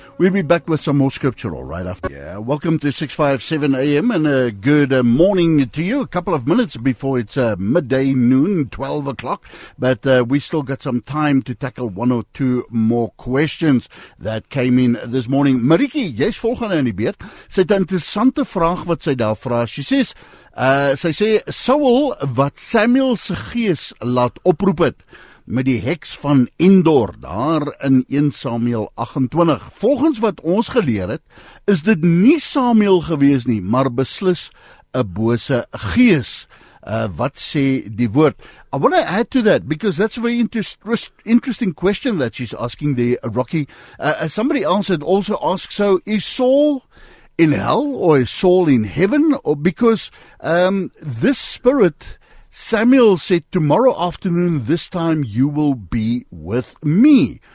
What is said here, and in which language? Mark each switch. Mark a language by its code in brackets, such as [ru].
[en] We'll be back with some more scriptural right after. Yeah, welcome to 657 AM and a good morning to you. A couple of minutes before it's midday, noon, 12 o'clock. But we still got some time to tackle one or two more questions that came in this morning. [af] Mariki, jy's volgende in die beurt. Sy het 'n interessante vraag wat sy daar vra. [en] She says, [af] sy sê, Saul wat Samuel se gees laat oproep het, met die heks van Endor, daar in 1 Samuel 28. Volgens wat ons geleer het, is dit nie Samuel gewees nie, maar beslis 'n bose gees. Wat sê die woord? [en] I want to add to that, because that's a very interesting question that she's asking there, Rocky. Somebody else had also asked, so is Saul in hell, or is Saul in heaven? Or because this spirit... Samuel said, tomorrow afternoon, this time, you will be with me.